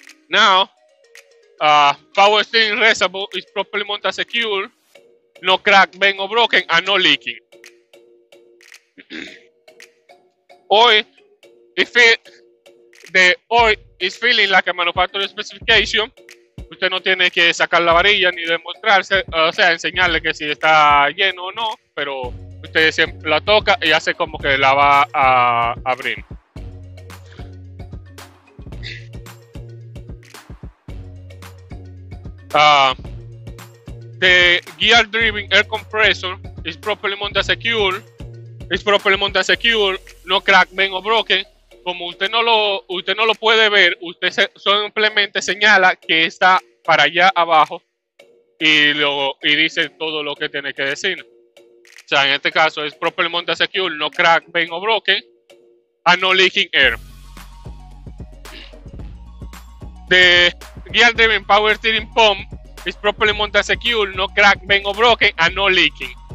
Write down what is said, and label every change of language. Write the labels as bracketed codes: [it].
[en] Now, power steering reservoir is properly mounted secure, no crack, bend or broken, and no leaking. The oil is feeling like a manufacturer specification. [es] Usted no tiene que sacar la varilla ni demostrarse, o sea, enseñarle que si está lleno o no, pero usted siempre la toca y hace como que la va a abrir. [en] The gear driven air compressor is properly mounted secure. It's properly mounted secure, no crack, bend or broken. [es] Como usted no lo puede ver, usted simplemente señala que está para allá abajo y dice todo lo que tiene que decir. O sea, en este caso es [en] properly mounted secure, no crack, bend or broken, and no leaking air. The gear driven power steering pump is properly mounted secure, no crack, bend or broken, and no leaking.